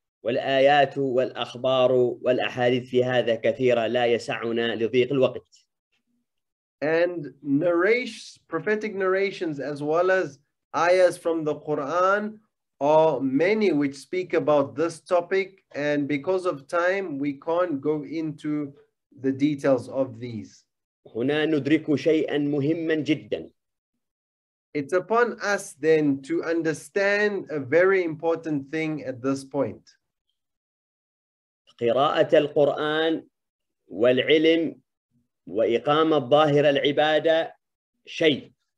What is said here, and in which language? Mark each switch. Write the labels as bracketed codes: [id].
[ar] والآيات والأخبار والأحاديث في هذا كثيرة لا يسعنا لضيق الوقت. [en] And narrations, prophetic narrations, as well as ayahs from the Quran, are many which speak about this topic. And because of time, we can't go into the details of these. [ar] هنا ندرك شيئا مهما جدا. [en] It's upon us then to understand a very important thing at this point. [ar] قراءة القرآن والعلم وإقامة ظاهر العبادة شيء.